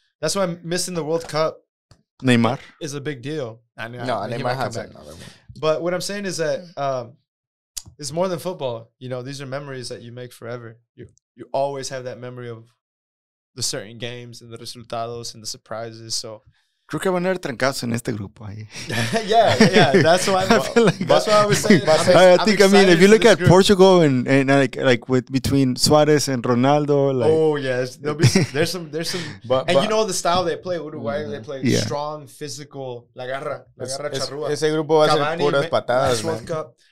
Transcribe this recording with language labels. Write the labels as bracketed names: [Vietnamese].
[English] That's why missing the World Cup, Neymar, is a big deal. Neymar has another one. But what I'm saying is that it's more than football. You know, these are memories that you make forever. You always have that memory of the certain games and the resultados and the surprises. So, [Spanish] creo que van a haber trancazos en este grupo ahí. [English] Yeah, that's why. That's why I was saying. If you look at Portugal and like with between Suarez and Ronaldo, like oh yes, there's some. but you know the style they play. Uruguay, they play strong, physical. [Spanish] La garra charrúa. Ese grupo va a ser puras patadas, man.